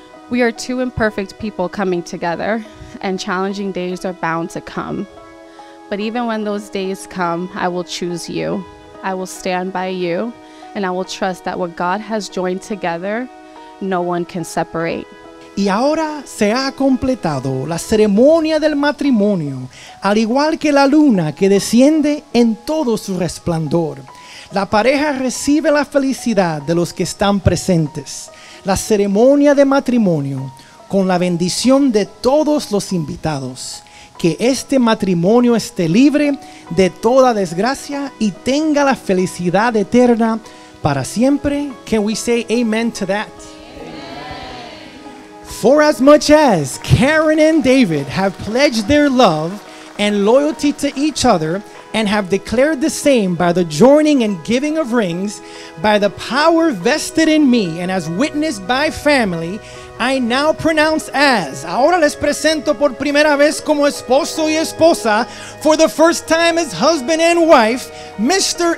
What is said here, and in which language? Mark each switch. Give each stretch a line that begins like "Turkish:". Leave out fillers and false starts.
English: We are two imperfect people coming together, and challenging days are bound to come. But even when those days come, I will choose you. I will stand by you, and I will trust that what God has joined together, no one can separate.
Spanish: Y ahora se ha completado la ceremonia del matrimonio, al igual que la luna que desciende en todo su resplandor. La pareja recibe la felicidad de los que están presentes. La ceremonia de matrimonio, con la bendición de todos los invitados. Que este matrimonio esté libre de toda desgracia y tenga la felicidad eterna para siempre.
English: Can we say amen to that? For as much as Karen and David have pledged their love and loyalty to each other and have declared the same by the joining and giving of rings, by the power vested in me and as witnessed by family, I now pronounce as,
Spanish: ahora les presento por primera vez como esposo y esposa,
English: for the first time as husband and wife, Mr.